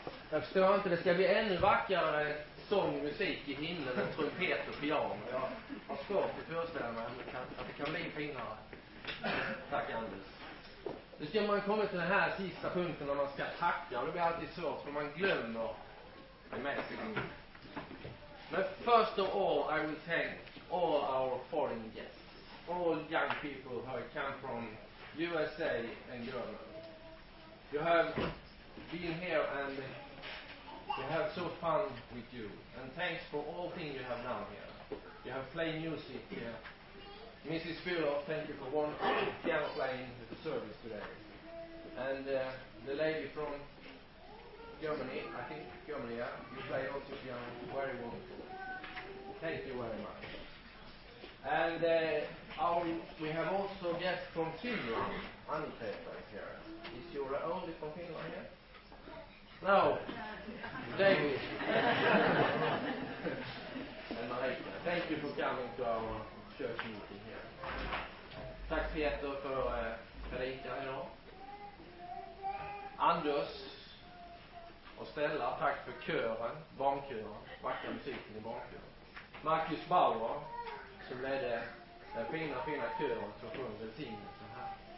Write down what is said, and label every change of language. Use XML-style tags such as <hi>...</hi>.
<sv>förstår inte, det ska bli ännu vackrare sångmusik i himlen än trumpet och piano. Jag har svårt att föreställa mig att det kan bli finare. Tack Anders. Nu ska man komma till den här sista punkten när man ska tacka. Det blir alltid svårt för man glömmer det mesta.</sv> <en>Men first of all I will thank all our foreign guests. All young people who have come from USA and Germany. You have been here and we have so fun with you. And thanks for all things you have done here. You have played music here. Mrs. Fulop, thank you for one piano playing the service today. And the lady from Germany, I think Germany, yeah, you play also piano very wonderful. Thank you very much. And we have also guests from Finland, Annika is here. Is your only from Finland here? No, David. And Marika, thank you for coming to our church meeting here.</en> <sv>Tack Peter för Marika idag. Anders och Stella, tack för kören, barnkören, vackra musiken i barnkören. Marcus Bauer, som ledde den fina, fina kören som sjöng välsignelsen här.</sv>